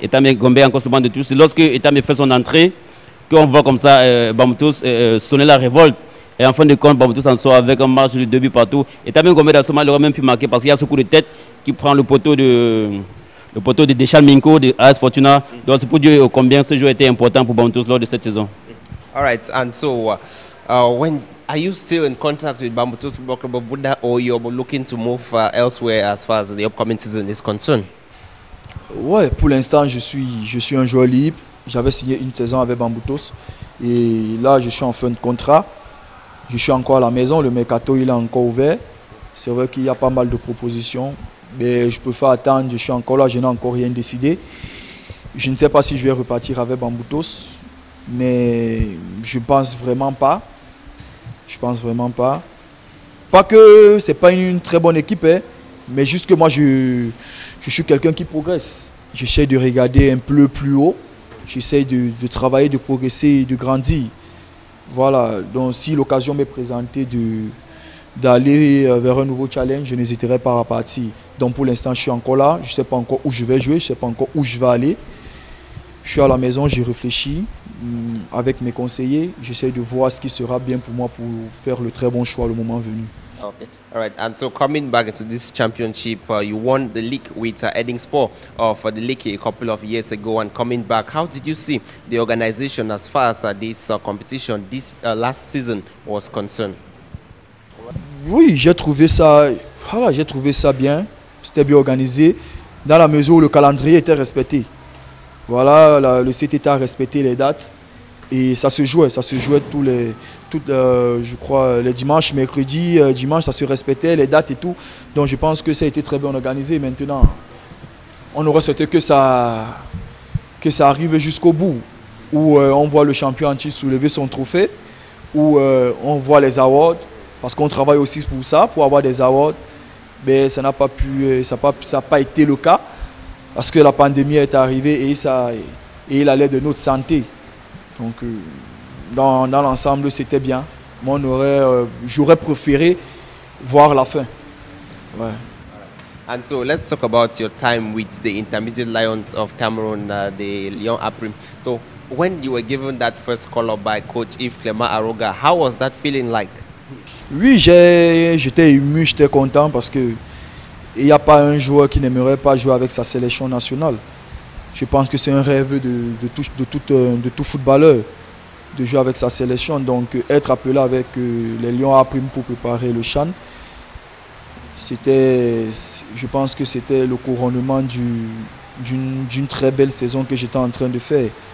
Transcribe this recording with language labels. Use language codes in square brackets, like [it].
[fr] Etamine Gombe encore ce banc de touche. C'est lorsque Etamine fait son entrée qu'on voit comme ça Bamoutos sonner la révolte. Et en fin de compte, Bamoutos en sort avec un match de 2-2 partout. Et Etamine Gombe, dans ce match, il aurait même pu marquer parce qu'il y a ce coup de tête qui prend le poteau de Deschamps Minko de AS Fortuna. Donc c'est pour dire combien ce jeu était important pour Bamoutos lors de cette saison. [en] All right, and so when are you still in contact with Bamoutos Football Club of Bunda, or you're looking to move elsewhere as far as the upcoming season is concerned? [fr] Ouais, pour l'instant, je suis un joueur libre. J'avais signé une saison avec Bamoutos et là, je suis en fin de contrat. Je suis encore à la maison, le mercato il est encore ouvert. C'est vrai qu'il y a pas mal de propositions, mais je peux faire attendre, je suis encore là, je n'ai encore rien décidé. Je ne sais pas si je vais repartir avec Bamoutos, mais je ne pense vraiment pas. Je pense vraiment pas. Pas que ce n'est pas une très bonne équipe, hein, mais juste que moi je suis quelqu'un qui progresse. J'essaie de regarder un peu plus haut, j'essaie de travailler, de progresser et de grandir. Voilà, donc si l'occasion m'est présentée d'aller vers un nouveau challenge, je n'hésiterai pas à partir. Donc pour l'instant, je suis encore là, je ne sais pas encore où je vais jouer, je ne sais pas encore où je vais aller. Je suis à la maison, j'y réfléchis avec mes conseillers, j'essaie de voir ce qui sera bien pour moi pour faire le très bon choix le moment venu. [en] Okay. All right, and so coming back into this championship, you won the league with Eddingsport for the league a couple of years ago. And coming back, how did you see the organization as far as this competition this last season was concerned? [fr] Oui, j'ai trouvé ça bien. C'était bien organisé dans la mesure où le calendrier était respecté. Voilà, le CTT a respecté les dates. Et ça se jouait les dimanches, mercredi, dimanche, ça se respectait, les dates et tout. Donc je pense que ça a été très bien organisé. Maintenant, on aurait souhaité que ça arrive jusqu'au bout, où on voit le champion entier soulever son trophée, où on voit les awards, parce qu'on travaille aussi pour ça, pour avoir des awards. Mais ça n'a pas pu, ça n'a pas été le cas, parce que la pandémie est arrivée et il allait de notre santé. Donc, dans l'ensemble, c'était bien. Moi, j'aurais préféré voir la fin. Ouais. [en] And so, let's talk about your time with the Intermediate Lions of Cameroon, the Lyon Aprim. So, when you were given that first call-up by coach Yves Clément Aroga, how was that feeling like? [fr] Oui, j'étais ému, j'étais content parce que il n'y a pas un joueur qui n'aimerait pas jouer avec sa sélection nationale. Je pense que c'est un rêve de tout footballeur de jouer avec sa sélection. Donc être appelé avec les Lions Aprim pour préparer le CHAN, c'était le couronnement d'une très belle saison que j'étais en train de faire.